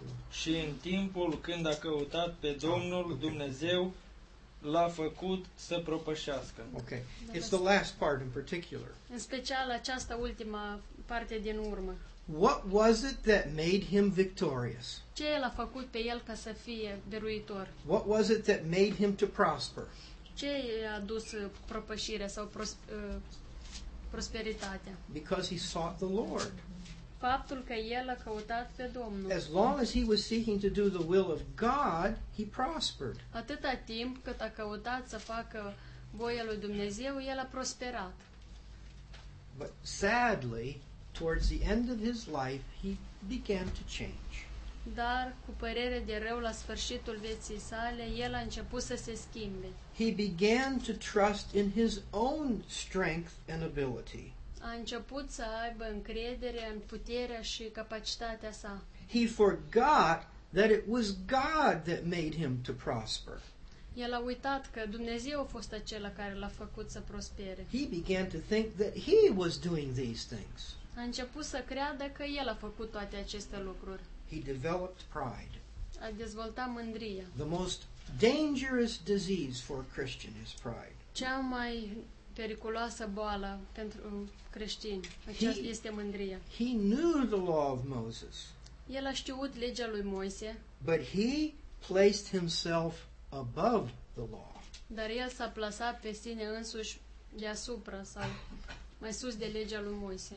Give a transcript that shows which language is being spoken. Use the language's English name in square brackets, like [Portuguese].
[Romanian] Și în timpul când a căutat pe Domnul, Dumnezeu l-a făcut să propășească. [English] Okay. It's the last part in particular. [Romanian] În special această ultima parte din urmă. [English] What was it that made him victorious? [Romanian] Ce l-a făcut pe el ca să fie biruitor? [English] What was it that made him to prosper? [Romanian] Ce i-a dus propășirea sau prosperitatea. [English] Because he sought the Lord. [Romanian] Faptul că el a căutat pe Domnul. [English] As long as he was seeking to do the will of God, he prospered. [Romanian] Atâta timp cât a căutat să facă voia lui Dumnezeu, el a prosperat. [English] But sadly, towards the end of his life, he began to change. [Romanian] Dar cu părere de rău, la sfârșitul vieții sale, el a început să se schimbe. [English] He began to trust in his own strength and ability. [Romanian] A început să aibă încredere în puterea și capacitatea sa. [English] He forgot that it was God that made him to prosper. [Romanian] El a uitat că Dumnezeu a fost acela care l-a făcut să prospere. [English] He began to think that he was doing these things. [Romanian] A început să creadă că el a făcut toate aceste lucruri. [English] He developed pride. [Romanian] A dezvoltat mândria. [English] The most dangerous disease for a Christian is pride. [Romanian] Cea mai periculoasă boală pentru creștini, aceasta este mândria. [English] He knew the law of Moses. [Romanian] El a știut legea lui Moise. [English] But he placed himself above the law. [Romanian] Dar el s-a plasat pe sine însuși deasupra sau mai sus de legea lui Moise.